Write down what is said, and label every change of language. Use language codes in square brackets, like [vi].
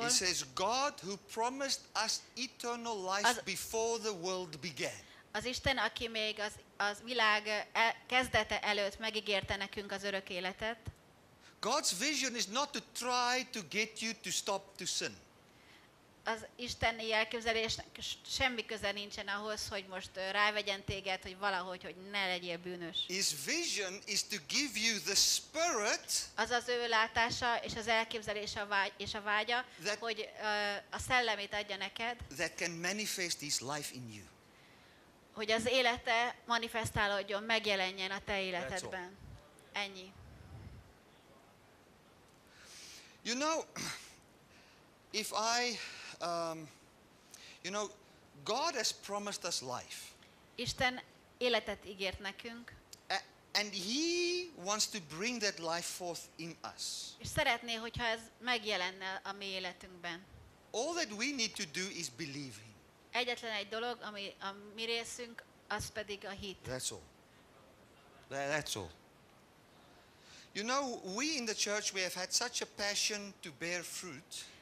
[en] He says, God who promised us eternal life az, before the world began. [hu] Az Isten, aki még az világ kezdete előtt megígérte nekünk az örök életet. [en] God's vision is not to try to get you to stop to sin. [hu] Az isteni elképzelésnek semmi köze nincsen ahhoz, hogy most rávegyen téged, hogy valahogy, hogy ne legyél bűnös. [en] His vision is to give you the spirit. [hu] Az az ő látása és az elképzelése és a vágya, hogy a szellemét adja neked. [en] That can manifest his life in you. [hu] Hogy az élete manifestálódjon, megjelenjen a te életedben. Ennyi. [en] You know, if I, you know, God has promised us life. [hu] Isten életet ígért nekünk. [en] And He wants to bring that life forth in us. [hu] És szeretné, hogyha ez megjelenne a mi életünkben. [en] All that we need to do is believe Him. [hu] Egyetlen egy dolog, ami a mi részünk, az pedig a hit. [en] That's all. That's all. You know, we in the church, we have had such a passion to bear fruit.